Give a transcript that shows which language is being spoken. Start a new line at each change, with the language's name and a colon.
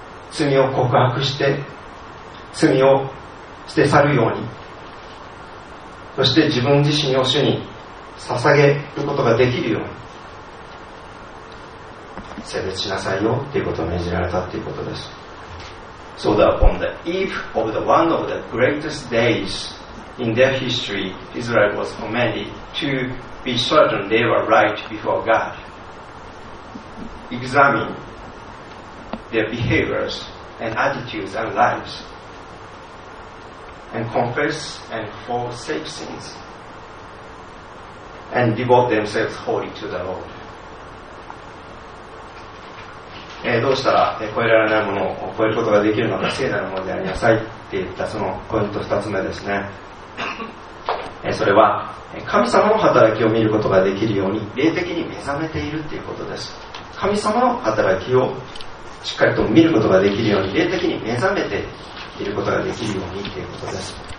Japanese: 罪を告白して罪を捨て去るように、そして自分自身を主に捧げることができるように聖別しなさいよっていうことを命じられたっていうことです。
English: So that upon the eve of the one of the greatest daysIn their history, Israel was commanded to be certain they were right before God. Examine their behaviors and attitudes and lives, and confess and forsake sins, and devote themselves wholly to the Lord.
Japanese: どうしたら超えられないものを超えることができるのか、聖なるものでありなさいって言ったそのポイント二つ目ですね。それは神様の働きを見ることができるように霊的に目覚めているということです。神様の働きをしっかりと見ることができるように、霊的に目覚めていることができるようにということです。